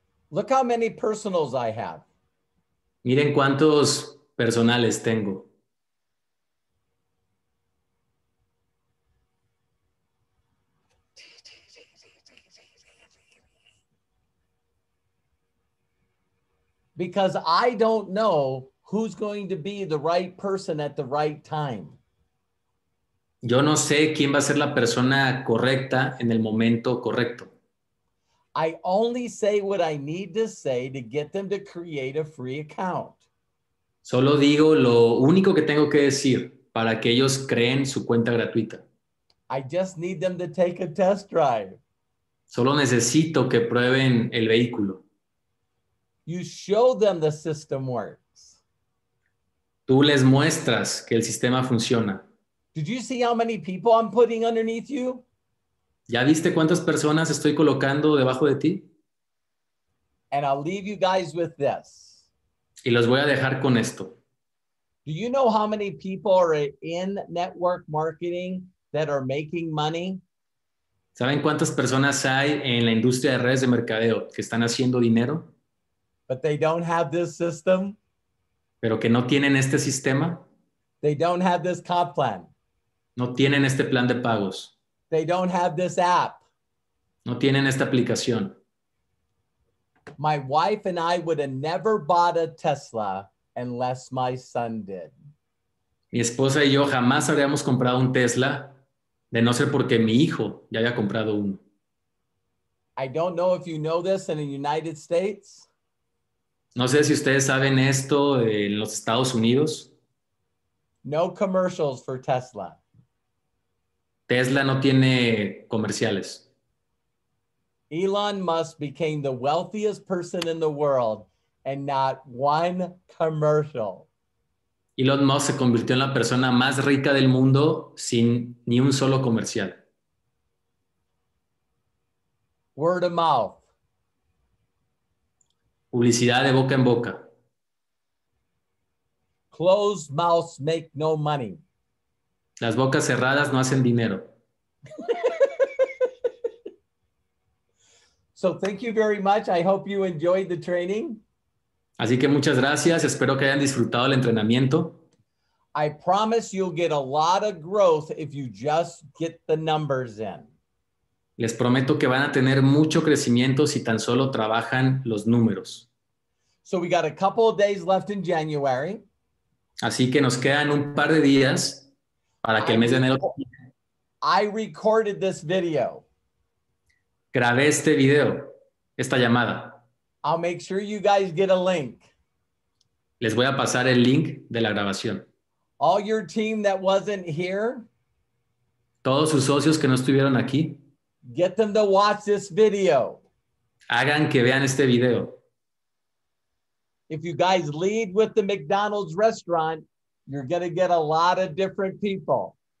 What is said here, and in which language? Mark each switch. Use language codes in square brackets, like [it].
[en] Look how many personals I have. [es] Miren cuántos personales tengo. [en] Because I don't know who's going to be the right person at the right time. [es] Yo no sé quién va a ser la persona correcta en el momento correcto. [en] I only say what I need to say to get them to create a free account. [es] Solo digo lo único que tengo que decir para que ellos creen su cuenta gratuita. [en] I just need them to take a test drive. [es] Solo necesito que prueben el vehículo. [en] You show them the system works. [es] Tú les muestras que el sistema funciona. [en] Did you see how many people I'm putting underneath you? [es] ¿Ya viste cuántas personas estoy colocando debajo de ti? [en] And I'll leave you guys with this. [es] Y los voy a dejar con esto. [en] Do you know how many people are in network marketing that are making money? [es] ¿Saben cuántas personas hay en la industria de redes de mercadeo que están haciendo dinero? [en] But they don't have this system. [es] Pero que no tienen este sistema. [en] They don't have this comp plan. [es] No tienen este plan de pagos. [en] They don't have this app. [es] No tienen esta aplicación. [en] My wife and I would have never bought a Tesla unless my son did. [es] Mi esposa y yo jamás habríamos comprado un Tesla de no ser porque mi hijo ya haya comprado uno. [en] I don't know if you know this in the United States. [es] No sé si ustedes saben esto en los Estados Unidos. [en] No commercials for Tesla. [es] Tesla no tiene comerciales. [en] Elon Musk became the wealthiest person in the world and not one commercial. [es] Elon Musk se convirtió en la persona más rica del mundo sin ni un solo comercial. [en] Word of mouth. [es] Publicidad de boca en boca. [en] Closed mouths make no money. [es] Las bocas cerradas no hacen dinero. [en] So thank you very much. I hope you enjoyed the training. [es] Así que muchas gracias. Espero que hayan disfrutado el entrenamiento. [en] I promise you'll get a lot of growth if you just get the numbers in. [es] Les prometo que van a tener mucho crecimiento si tan solo trabajan los números. [en] So we got a couple of days left in January. [es] Así que nos quedan un par de días para que el mes de enero. [en] I recorded this video. [es] Grabé este video, esta llamada. [en] I'll make sure you guys get a link. [es] Les voy a pasar el link de la grabación. [en] All your team that wasn't here. [es] Todos sus socios que no estuvieron aquí. [en] Get them to watch this video. [es] Hagan que vean este video. [en] If you guys lead with the McDonald's restaurant, you're going to get a lot of different people.